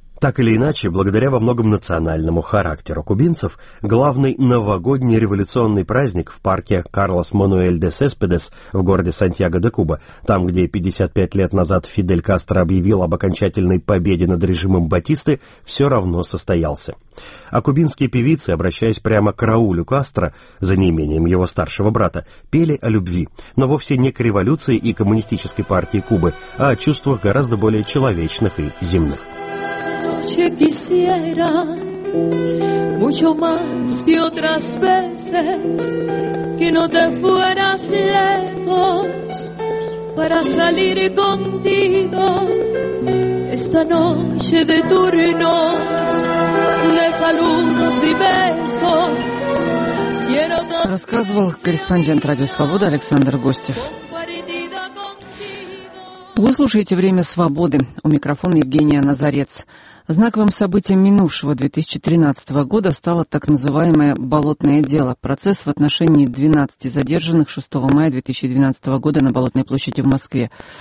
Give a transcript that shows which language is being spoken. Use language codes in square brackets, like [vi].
[ru] Так или иначе, благодаря во многом национальному характеру кубинцев, главный новогодний революционный праздник в парке Карлос Мануэль де Сеспедес в городе Сантьяго де Куба, там, где 55 лет назад Фидель Кастро объявил об окончательной победе над режимом Батисты, все равно состоялся. А кубинские певицы, обращаясь прямо к Раулю Кастро, за неимением его старшего брата, пели о любви, но вовсе не к революции и коммунистической партии Кубы, а о чувствах гораздо более человечных и земных. [es] Que quisiera mucho más que otras veces que no te fueras lejos para salir contigo esta noche de turnos de saludos y besos. Quiero todo. [ru] Рассказывал корреспондент Радио Свобода Александр Гостев. Вы слушаете «Время свободы». У микрофона Евгения Назарец. Знаковым событием минувшего 2013 года стало так называемое «болотное дело» – процесс в отношении 12 задержанных 6 мая 2012 года на Болотной площади в Москве.